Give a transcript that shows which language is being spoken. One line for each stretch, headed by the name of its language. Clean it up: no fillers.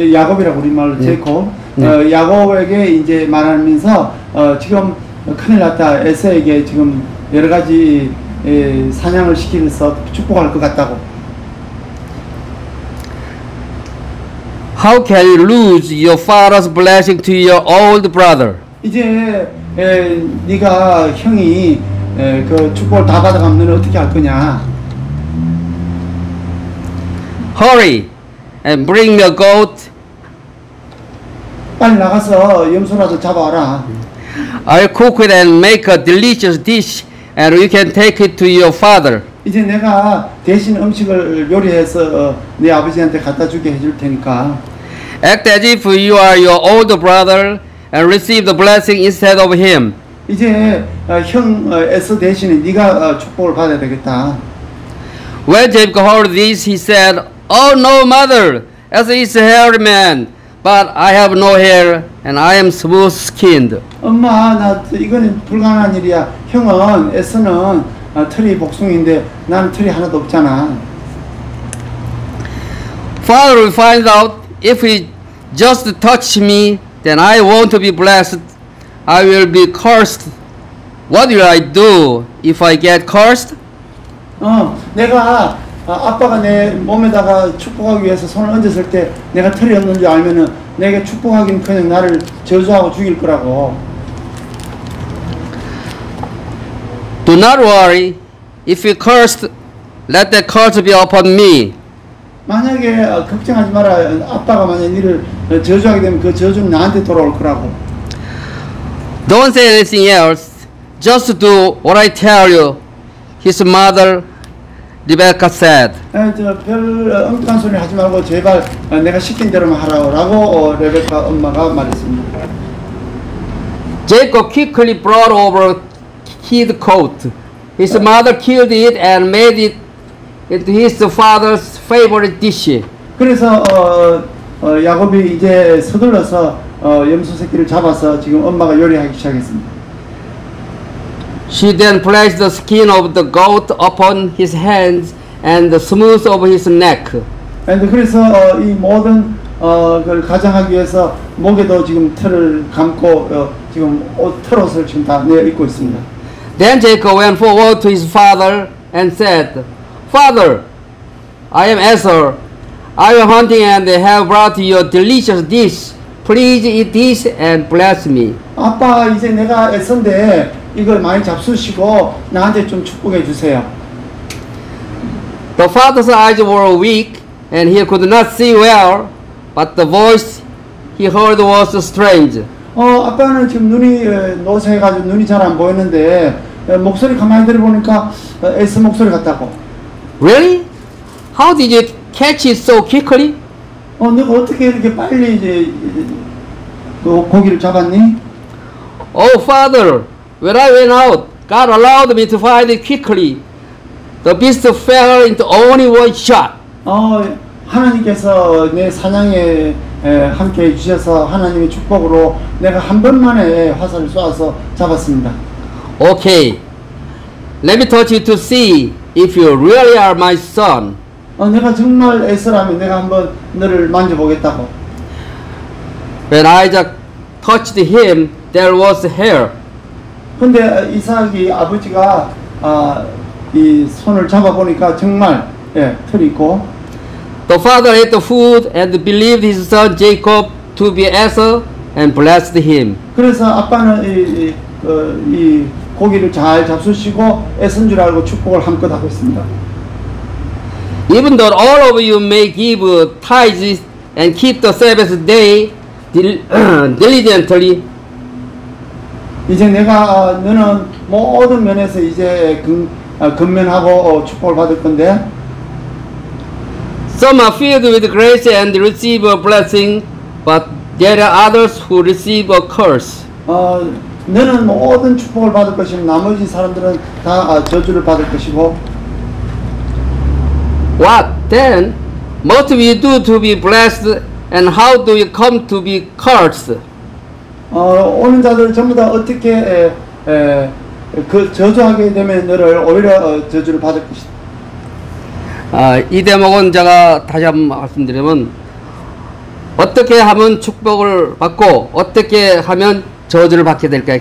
Korean: 야곱이라고 우리말로 제이콥. 네. 네. 야곱에게 이제 말하면서 지금 큰일 났다. 에서에게 지금 여러 가지 사냥을 시키면서 축복할 것 같다고.
English: How can you lose your father's blessing to your old brother?
Korean: 이제 네가 형이 그 축복을 다 받아가면 너는 어떻게 할 거냐?
English: Hurry and bring me a goat.
Korean: 빨리 나가서 염소라도 잡아와라.
English: I'll cook it and make a delicious dish, and you can take it to your father.
Korean: 이제 내가 대신 음식을 요리해서 네 아버지한테 갖다 주게 해줄 테니까.
English: Act as if you are your older brother and receive the blessing instead of him.
Korean: 이제 형 에서 대신에 네가 축복을 받아야 되겠다.
English: When Jacob heard this, he said, Oh no, mother, as is a hairy man, but I have no hair, and I am smooth-skinned.
Korean: 엄마, 나 이거는 불가능한 일이야. 형은 에서는 털이 복숭인데 난 털이 하나도 없잖아.
English: Father will find out if he just touch me, then I won't be blessed. I will be cursed. What will I do if I get cursed?
Korean: 내가 아빠가 내 몸에다가 축복하기 위해서 손을 얹었을 때 내가 털이 없는 줄 알면은 내게 축복하긴 그냥 나를 저주하고 죽일 거라고.
English: Do not worry. If you cursed, let that curse be upon me.
Korean: 만약에 걱정하지 마라. 아빠가 만약에 너를 저주하게 되면 그 저주는 나한테 돌아올 거라고.
English: Don't say anything else. Just do what I tell you. His mother, Rebecca said.
Korean: 별 엉뚱한 소리 하지 말고 제발 내가 시킨 대로만 하라고 레베카 엄마가 말했습니다.
English: Jacob quickly brought over his coat. His mother killed it and made it into his father's favorite dish.
Korean: 그래서 야곱이 이제 서둘러서 염소 새끼를 잡아서 지금 엄마가 요리하기 시작했습니다.
English: She then placed the skin of the goat upon his hands and the smooth of his neck.
Korean: And 그래서 이 모든 걸 가장하기 위해서 목에도 지금 털을 감고 지금 털옷을 지금 다 내 입고 있습니다.
English: Then Jacob went forward to his father and said, Father, I am Esau. I am hunting and have brought you a delicious dish. Please eat this and bless me.
Korean: 아빠, 이제 내가 애서인데 이걸 많이 잡수시고 나한테 좀 축복해 주세요.
English: The father's eyes were weak and he could not see well, but the voice he heard was strange.
Korean: 아빠는 지금 눈이 노쇠해가지고 눈이 잘 안 보였는데 목소리 가만히 들어보니까 S 목소리 같다고.
English: Really? How did you catch it so quickly?
Korean: 내가 어떻게 이렇게 빨리 이제 그 고기를 잡았니?
English: Oh, father, when I went out, God allowed me to find it quickly. The beast fell into only one shot.
Korean: 하나님께서 내 사냥에 함께 해주셔서 하나님의 축복으로 내가 한 번만에 화살을 쏴서 잡았습니다.
English: Okay. Let me touch you to see if you really are my son.
Korean: 내가 정말 애서라면 내가 한번 너를 만져보겠다고.
English: When Isaac touched him, there was hair.
Korean: 근데 이삭이 아버지가 이 손을 잡아보니까 정말 털이 있고.
English: The father ate the food and believed his son Jacob to be Esau and blessed him.
Korean: 그래서 아빠는 이 고기를 잘 잡수시고 애선 줄 알고 축복을 한껏 하고 있습니다.
English: Even though all of you may give tithes and keep the Sabbath day diligently.
Korean: 이제 내가 너는 모든 면에서 이제 근면하고 축복을 받을 건데.
English: Some are filled with grace and receive a blessing, but there are others who receive a curse.
Korean: 너는 모든 축복을 받을 것이고 나머지 사람들은 다 저주를 받을 것이고.
English: What then? What do we do to be blessed, and how do we come to be cursed?
Korean: 오는 자들 전부 다 어떻게 그 저주하게 되면 너를 오히려 저주를 받을 것이다. 이 대목은 제가 다시 한번 말씀드리면 어떻게 하면 축복을 받고 어떻게 하면 저주를 받게 될까요?